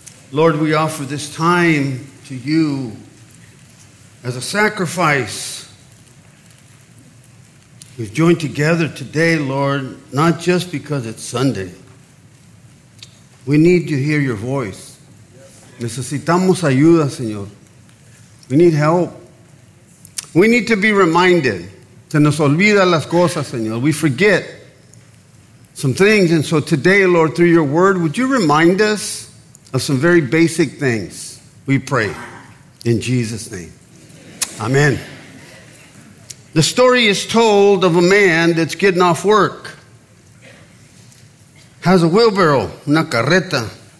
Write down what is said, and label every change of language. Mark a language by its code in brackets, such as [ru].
[en] Lord, we offer this time to you as a sacrifice. We've joined together today, Lord, not just because it's Sunday. We need to hear your voice. [es] Necesitamos ayuda, Señor. [en] We need help. We need to be reminded. [es] Se nos olvida las cosas, Señor. [en] We forget some things. And so today, Lord, through your word, would you remind us of some very basic things? We pray in Jesus' name. Amen. The story is told of a man that's getting off work, has a wheelbarrow, [es] una carreta.